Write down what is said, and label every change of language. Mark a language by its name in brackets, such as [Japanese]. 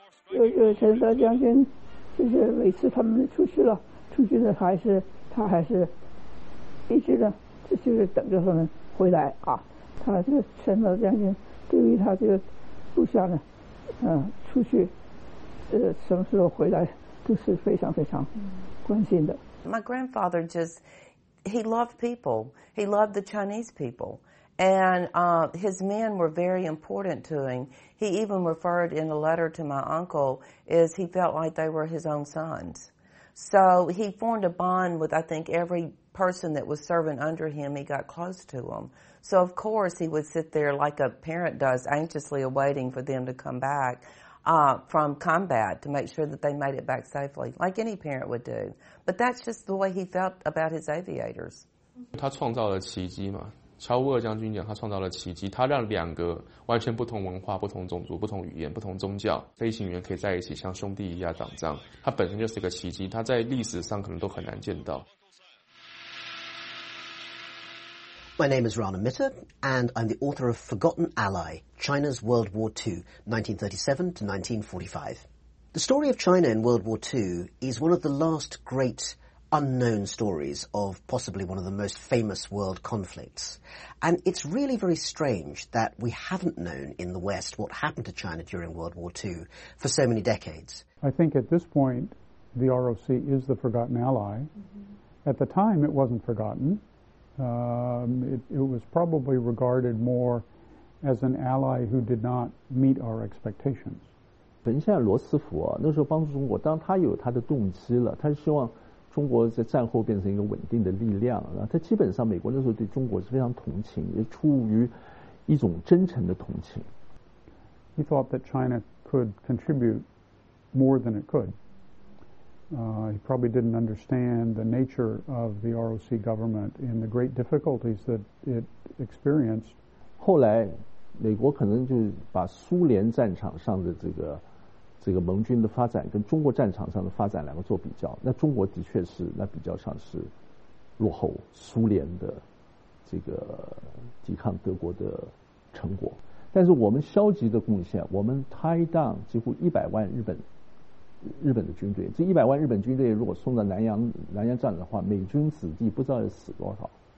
[Chinese] 就是陈纳德将军，就是每次他们出去了，出去的他还是一直呢，这就是等着他们回来啊。他这个陈老将军对于他这个部下呢，出去，什么时候回来都是非常非常关心的。 [English] My grandfather just, he loved people. He loved the Chinese people. And his men were very important to him. He even referred in a letter to my uncle as he felt like they were his own sons. So he formed a bond with, I think, everyperson that was serving under him, he got close to him. So of course he would sit there like a parent does, anxiously awaiting for them to come back from combat to make sure that they made it back safely, like any parent would do. But that's just the way he felt about his aviators. [Chinese] 他创造了奇迹嘛，乔乌尔将军讲他创造了奇迹，他让两个完全不同文化、不同种族、不同语言、不同宗教飞行员可以在一起像兄弟一样打仗，他本身就是个奇迹，他在历史上可能都很难见到。 [English] My name is Rana Mitter, and I'm the author of Forgotten Ally, China's World War II, 1937 to 1945. The story of China in World War II is one of the last great unknown stories of possibly one of the most famous world conflicts. And it's really very strange that we haven't known in the West what happened to China during World War II for so many decades. I think at this point, the ROC is the forgotten ally. Mm-hmm. At the time, it wasn't forgotten. It was probably regarded more as an ally who did not meet our expectations. [Chinese] 等一下，罗斯福啊，那时候帮助中国，当他有他的动机了，他希望中国在战后变成一个稳定的力量。然后他基本上美国那时候对中国是非常同情，也出于一种真诚的同情。 [English] He thought that China could contribute more than it could. He probably didn't understand the nature of the ROC government and the great difficulties that it experienced. [Chinese] 后来，美国可能就把苏联战场上的这个这个盟军的发展跟中国战场上的发展两个做比较，那中国的确是那比较上是落后苏联的这个抵抗德国的成果，但是我们消极的贡献，我们 [English] tie down [Chinese] 几乎100万日本的军队，这100万日本军队如果送到南洋战的话，美军子弟不知道要死多少。